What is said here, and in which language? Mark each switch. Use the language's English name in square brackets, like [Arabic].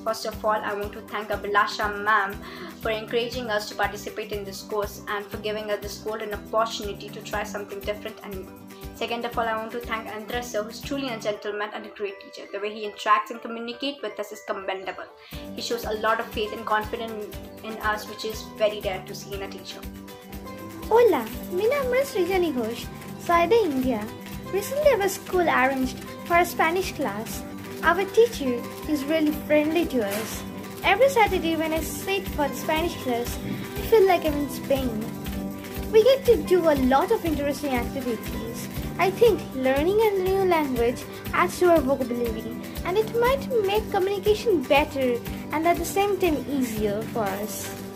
[English] First of all, I want to thank Abhilasha ma'am for encouraging us to participate in this course and for giving us this golden opportunity to try something different and new. Second of all, I want to thank Andrés Sir, who is truly a gentleman and a great teacher. The way he interacts and communicates with us is commendable. He shows a lot of faith and confidence in us, which is very rare to see in a teacher. [Spanish] Hola, mi nombre es Rijani Ghosh. Soy de India. [English] Recently, our school arranged for a Spanish class. Our teacher is really friendly to us. Every Saturday when I sit for the Spanish class, I feel like I'm in Spain. We get to do a lot of interesting activities. I think learning a new language adds to our vocabulary, and it might make communication better and at the same time easier for us.